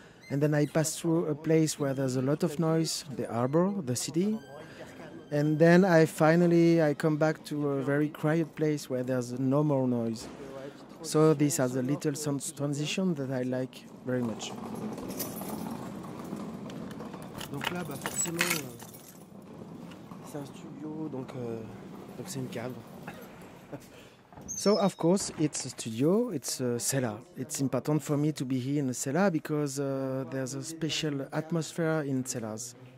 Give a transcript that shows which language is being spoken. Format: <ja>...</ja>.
<en>And then I pass through a place where there's a lot of noise, the harbor, the city. And then I finally come back to a very quiet place where there's no more noise. So this has a little sound transition that I like very much.</en> <fr>Donc là, bah forcément, c'est un studio, donc c'est une cave.</fr> <en>So of course it's a studio, it's a cellar. It's important for me to be here in a cellar because there's a special atmosphere in cellars.</en>